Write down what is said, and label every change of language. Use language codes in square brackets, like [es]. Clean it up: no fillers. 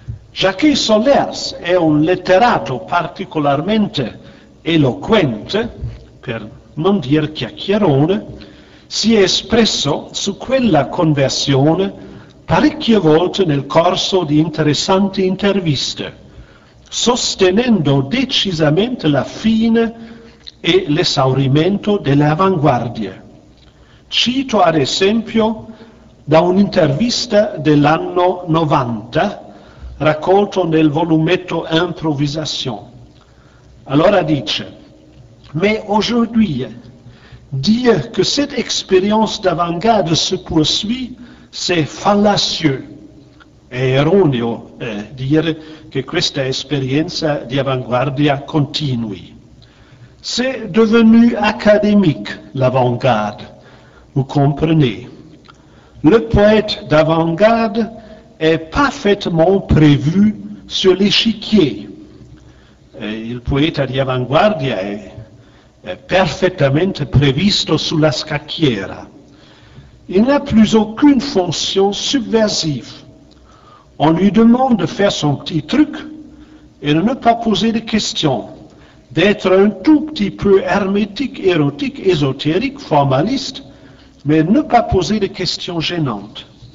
[it] Jacques Solers è un letterato particolarmente eloquente, per non dire chiacchierone, si è espresso su quella conversione parecchie volte nel corso di interessanti interviste, sostenendo decisamente la fine e l'esaurimento delle avanguardie. Cito ad esempio da un'intervista dell'anno 90, raccolto nel volumetto Improvisation. Allora dice: [fr] «Mais aujourd'hui, dire que cette expérience d'avant-garde se poursuit, c'est fallacieux». [it] È erroneo dire che questa esperienza di avanguardia continui. [fr] «C'est devenu académique, l'avant-garde, vous comprenez. Le poète d'avant-garde est parfaitement prévu sur l'échiquier». [it] Il poeta di avanguardia è perfettamente previsto sulla scacchiera. [fr] Il n'a plus aucune fonction subversive. On lui demande de faire son petit truc et de ne pas poser de questions, d'être un tout petit peu hermétique, érotique, ésotérique, formaliste, mais ne pas poser de questions gênantes.